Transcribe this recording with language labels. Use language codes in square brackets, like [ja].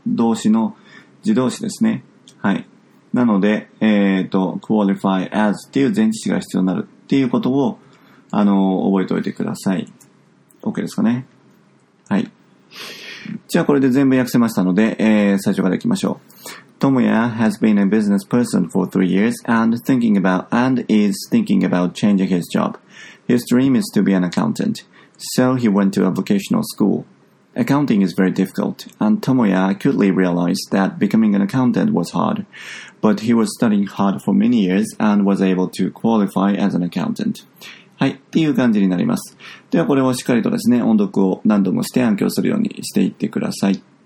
[ja] 動詞の自動詞ですね。はい。なので、qualify as っていう前置詞が必要になるっていうことを、覚えておいてください。OK ですかね。はい。じゃあ、これで全部訳せましたので、最初からいきましょう。 [en] Tomoya has been a business person for 3 years and is thinking about changing his job. His dream is to be an accountant, so he went to a vocational school. Accounting is very difficult, and Tomoya acutely realized that becoming an accountant was hard. But he was studying hard for many years and was able to qualify as an accountant. [ja] はい、っていう感じになります。ではこれをしっかりとですね、音読を何度もして暗記をするようにしていってください。